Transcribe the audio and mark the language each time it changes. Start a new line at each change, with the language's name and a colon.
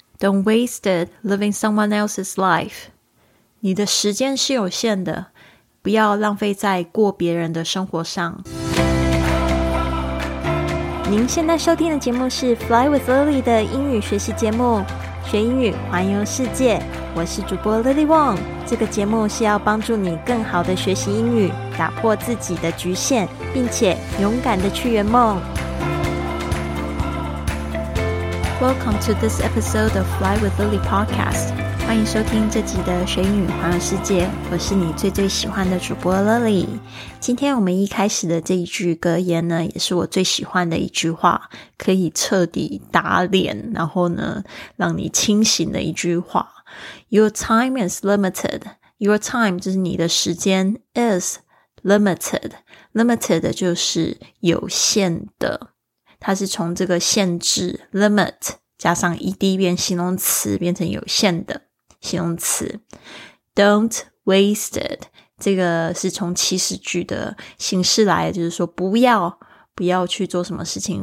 English: Don't waste it living someone else's life.
Chinese: 你的时间是有限的，不要浪费在过别人的生活上。您现在收听的节目是 Fly with Lily 的英语学习节目，学英语环游世界。我是主播 Lily Wong。这个节目是要帮助你更好的学习英语，打破自己的局限，并且勇敢的去圆梦。
English: Welcome to this episode of Fly with Lily podcast.
Chinese: 欢迎收听这集的学英语环游世界，我是你最最喜欢的主播 Lily。今天我们一开始的这一句格言呢，也是我最喜欢的一句话，可以彻底打脸，然后呢，让你清醒的一句话。
English: Your time is limited. Your time
Chinese: 就是你的时间
English: is limited.
Chinese: Limited 就是有限的，它是从这个限制 limit 加上 ed 变形容词，变成有限的形容词。
English: Don't waste it，
Chinese: 这个是从祈使句的形式来，就是说不要去做什么事情。